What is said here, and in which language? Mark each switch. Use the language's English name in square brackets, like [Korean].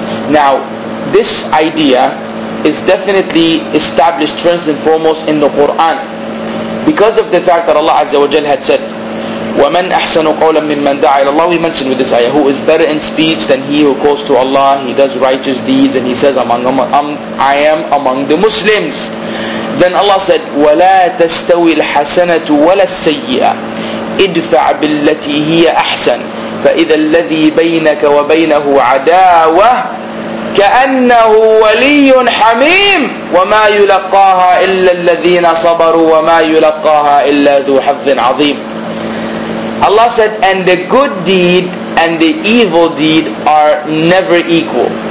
[English] Now, this idea is definitely established first and foremost in the Quran, because of the fact that Allah Azza wa Jal had said, [Arabic] وَمَنْ أَحْسَنُ قَوْلًا مِمَّنْ دَعَى إِلَى اللَّهِ. [English] We mentioned with this ayah, who is better in speech than he who calls to Allah, he does righteous deeds, and he says, I am among the Muslims. Then Allah said, [Arabic] وَلَا تَسْتَوِي الْحَسَنَةُ وَلَا السَّيِّئَةُ ادْفَعْ بِالَّتِي هِيَ أَحْسَنُ فَإِذَا الَّذِي بَيْنَكَ وَبَيْنَهُ عَدَاوَةٌ كَأَنَّهُ وَلِيٌّ حَمِيمٌ وَمَا يُلَقَّاهَا إِلَّا الَّذِينَ صَبَرُوا وَمَا يُلَقَّاهَا إِلَّا ذُو حَظٍّ عَظِيمٍ. [English] Allah said, and the good deed and the evil deed are never equal.